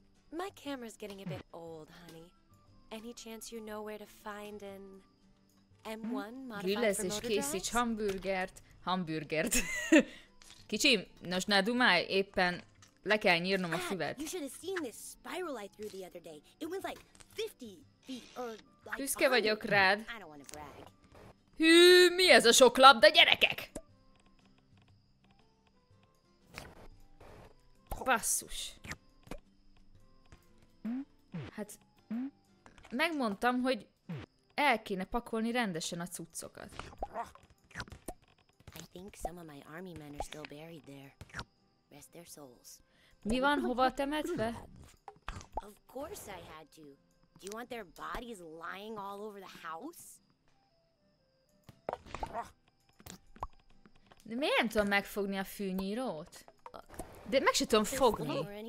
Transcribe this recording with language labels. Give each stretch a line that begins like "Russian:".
English: My camera's getting a bit old, honey. Any chance you know where to find an M1 modified for motor drives?
Hungarian: Készíts hamburgert. Hamburgert. Kicsi, nos, ne dumálj, éppen le kell nyírnom a füvet.
English: You should have seen this spiral light through the other day. It was like 50 feet or like...
Hungarian: Büszke vagyok rád. Hű, mi ez a sok labda, gyerekek? Basszus. Hát, megmondtam, hogy el kéne pakolni rendesen a cuccokat.
English: I think some of my army men are still buried there. Rest their souls.
Hungarian: Mi van hova temetve?
English: Of course I had to. Do you want their bodies lying all over the house?
Hungarian: De miért nem tudom megfogni a fűnyírót? De meg se tudom fogni.